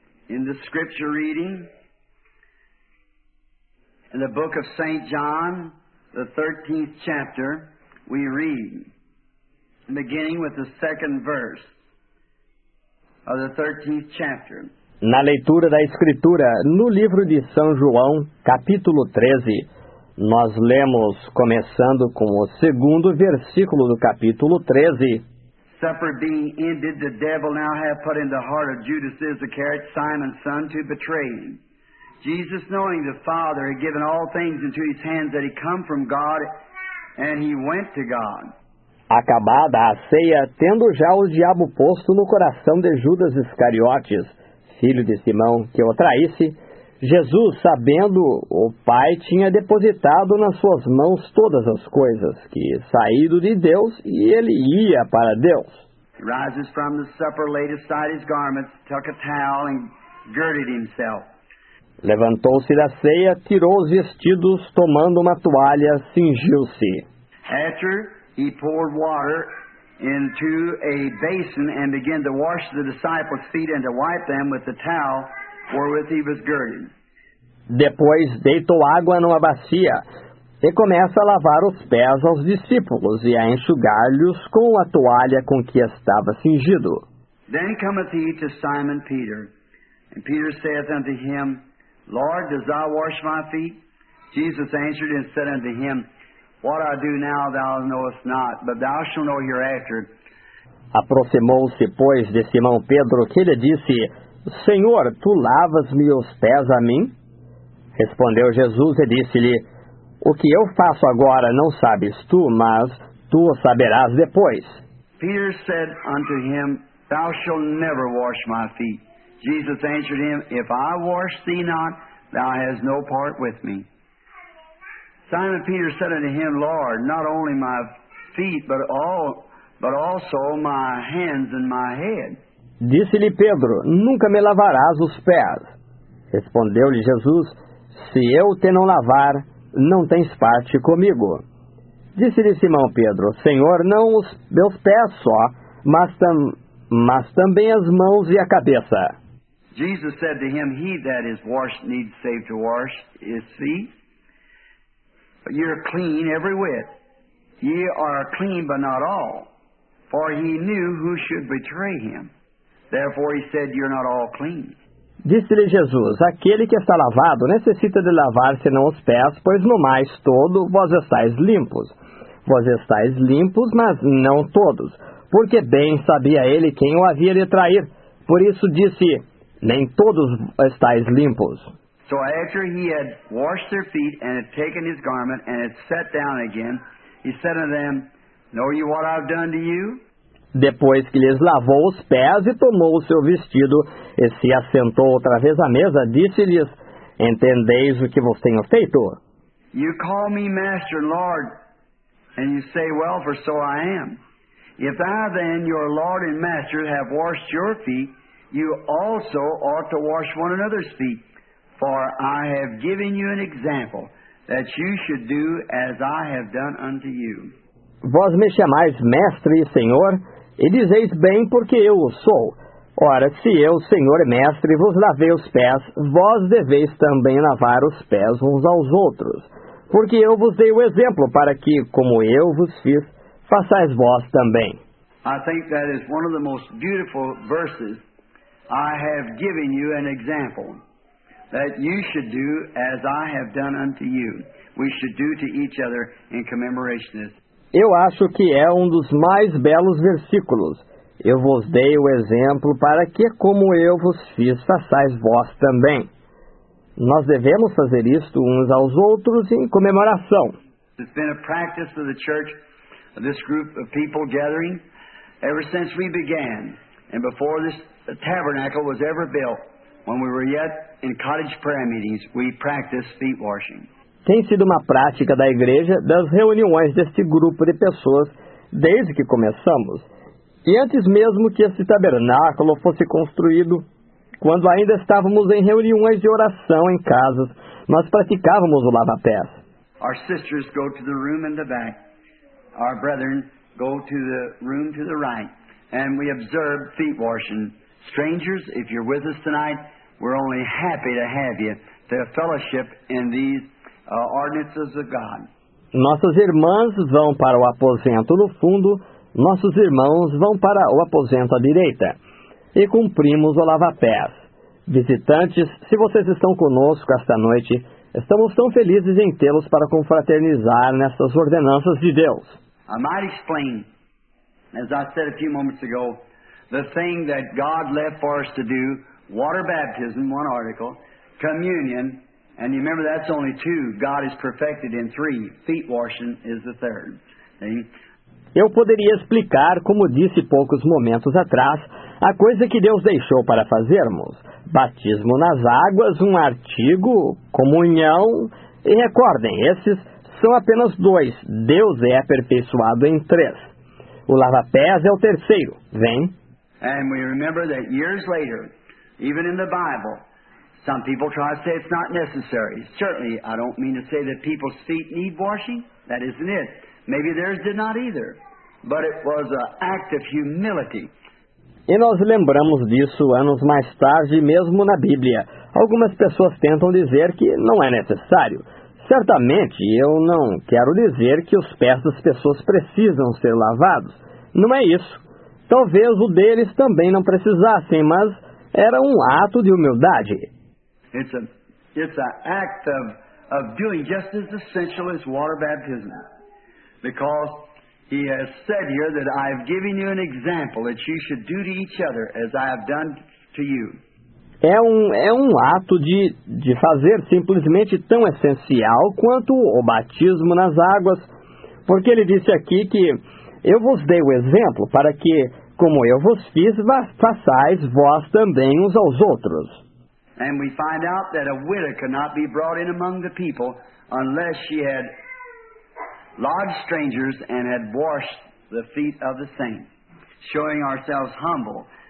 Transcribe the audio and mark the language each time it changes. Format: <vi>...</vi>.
<en>In the scripture reading, in the book of St. John, the 13th chapter, we read, beginning with the second verse of the 13th chapter.</en> <pt>Na leitura da Escritura, no livro de São João, capítulo 13, nós lemos, começando com o segundo versículo do capítulo 13.</pt> <en>Supper being ended, the devil now hath put in the heart of Judas Iscariot, Simon's son, to betray him. Jesus, knowing the Father, had given all things into his hands, that he come from God, and he went to God.</en> <pt>Acabada a ceia, tendo já o diabo posto no coração de Judas Iscariotes, filho de Simão, que o traísse, Jesus, sabendo o Pai tinha depositado nas suas mãos todas as coisas, que saído de Deus, e ele ia para Deus.</pt> <en>He rises from the supper, laid aside his garments, took a towel and girded himself.</en> <pt>Levantou-se da ceia, tirou os vestidos, tomando uma toalha, cingiu-se.</pt> <en>After he poured water into a basin and began to wash the disciples' feet and to wipe them with the towel wherewith he was girded.</en> <pt>Depois deitou água numa bacia e começa a lavar os pés aos discípulos e a enxugar-lhes com a toalha com que estava cingido.</pt> <en>Then cometh he to Simon Peter, and Peter saith unto him, Lord, dost thou wash my feet? Jesus answered and said unto him, What I do now thou knowest not, but thou shalt know hereafter.</en> <pt>Aproximou-se, pois, de Simão Pedro, que lhe disse, Senhor, tu lavas-me os pés a mim? Respondeu Jesus e disse-lhe, O que eu faço agora não sabes tu, mas tu o saberás depois.</pt> <en>Peter said unto him, Thou shalt never wash my feet. Jesus answered him, If I wash thee not, thou hast no part with me. Simon Peter said unto him, Lord, not only my feet, but also my hands and my head.</en> <pt>Disse-lhe Pedro, Nunca me lavarás os pés. Respondeu-lhe Jesus, Se eu te não lavar, não tens parte comigo. Disse-lhe Simão Pedro, Senhor, não os meus pés só, mas também as mãos e a cabeça.</pt> <en>Jesus said to him, He that is washed needs save to wash his feet. But ye are clean every whit. Ye are clean, but not all. For he knew who should betray him. Therefore he said, You are not all clean.</en> <pt>Disse-lhe Jesus, Aquele que está lavado necessita de lavar senão os pés, pois no mais todo vós estáis limpos. Vós estáis limpos, mas não todos. Porque bem sabia ele quem o havia de trair. Por isso disse, Nem todos estáis limpos.</pt> <en>So after he had washed their feet and had taken his garment and had sat down again, he said unto them, Know you what I've done to you?</en> <pt>Depois que lhes lavou os pés e tomou o seu vestido e se assentou outra vez à mesa, disse-lhes, Entendeis o que vos tenho feito?</pt> <en>You call me Master and Lord, and you say, Well, for so I am. If I then, your Lord and Master, have washed your feet, You also ought to wash one another's feet, for I have given you an example, that you should do as I have done unto you.</en> <pt>Vós me chamais Mestre e Senhor, e dizeis bem porque eu o sou. Ora, se eu, Senhor e Mestre, vos lavei os pés, vós deveis também lavar os pés uns aos outros. Porque eu vos dei o exemplo, para que, como eu vos fiz, façais vós também.</pt> <en>I think that is one of the most beautiful verses I have given you an example that you should do as I have done unto you. We should do to each other in commemoration.</en> <pt>Eu acho que é dos mais belos versículos. Eu vos dei o exemplo para que, como eu vos fiz, façais vós também. Nós devemos fazer isto uns aos outros em comemoração.</pt> <en>It's been a practice of the church, of this group of people gathering, ever since we began, and before this The tabernacle was ever built. When we were yet in cottage prayer meetings, we practiced feet washing.</en> <pt>Tem sido uma prática da igreja, das reuniões deste grupo de pessoas, desde que começamos. E antes mesmo que esse tabernáculo fosse construído, quando ainda estávamos em reuniões de oração em casas, nós praticávamos o lava-pés.</pt> <en>Our sisters go to the room in the back. Our brethren go to the room to the right. And we observe feet washing. Strangers, if you're with us tonight, we're only happy to have you to fellowship in these ordinances of God.</en> <pt>Nossas irmãs vão para o aposento no fundo, nossos irmãos vão para o aposento à direita, e cumprimos o lava-pés. Visitantes, se vocês estão conosco esta noite, estamos tão felizes em tê-los para confraternizar nessas ordenanças de Deus.</pt> <en>I might explain, as I said a few moments ago, The thing that God left for us to do, water baptism, one article, communion, and you remember that's only two. God is perfected in three. Feet washing is the third thing.</en> <pt>Eu poderia explicar, como disse poucos momentos atrás, a coisa que Deus deixou para fazermos. Batismo nas águas, um artigo, comunhão. E recordem, esses são apenas dois. Deus é aperfeiçoado em três. O lava-pés é o terceiro. Vem.</pt> <en>And we remember that years later, even in the Bible, some people try to say it's not necessary. Certainly, I don't mean to say that people's feet need washing. That isn't it. Maybe theirs did not either. But it was an act of humility.</en> <pt>E nós lembramos disso anos mais tarde, mesmo na Bíblia. Algumas pessoas tentam dizer que não é necessário. Certamente, eu não quero dizer que os pés das pessoas precisam ser lavados. Não é isso. Talvez o deles também não precisassem, mas era um ato de humildade.</pt> <en>It's an act of doing just as essential as water baptism. Because he has said here that I have given you an example that you should do to each other as I have done to you.</en> <pt>É um ato de fazer simplesmente tão essencial quanto o batismo nas águas. Porque ele disse aqui que eu vos dei o exemplo para que, como eu vos fiz, façais vós também uns aos outros.</pt> <en>And we find out that a widow cannot be brought in among the people unless she had lodged strangers and had washed the feet of the saints, showing ourselves humble.</en>